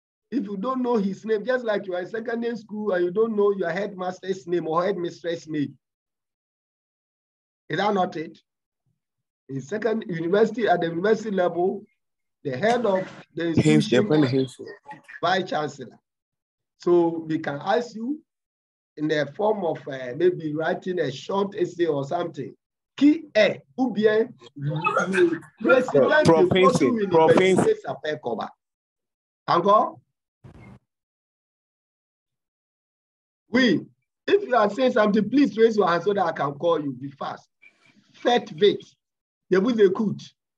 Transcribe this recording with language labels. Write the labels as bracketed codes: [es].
[en] If you don't know his name, just like you are in secondary school and you don't know your headmaster's name or headmistress's name. Is that not it? In second university, at the university level, the head of the institution is vice chancellor. So we can ask you in the form of maybe writing a short essay or something. [fr] Qui est ou bien le président de votre université s'appelle comment? Encore? Oui, [en] if you are saying something, please raise your hand so that I can call you. Be fast. [fr] Faites vite. Je vous écoute.